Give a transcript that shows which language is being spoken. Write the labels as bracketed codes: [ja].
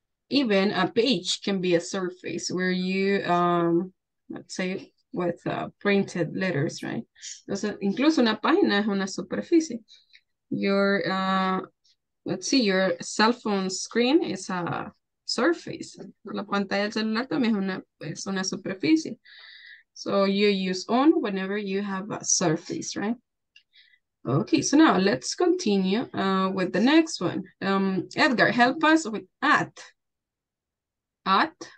[en] Even a page can be a surface where you, let's say, with printed letters, right? [es] Entonces, incluso una página es una superficie. [en] Your, let's see, your cell phone screen is a surface. [es] La pantalla del celular también es una superficie. [en] So you use on whenever you have a surface, right? Okay, so now let's continue with the next one. Edgar, help us with at. At?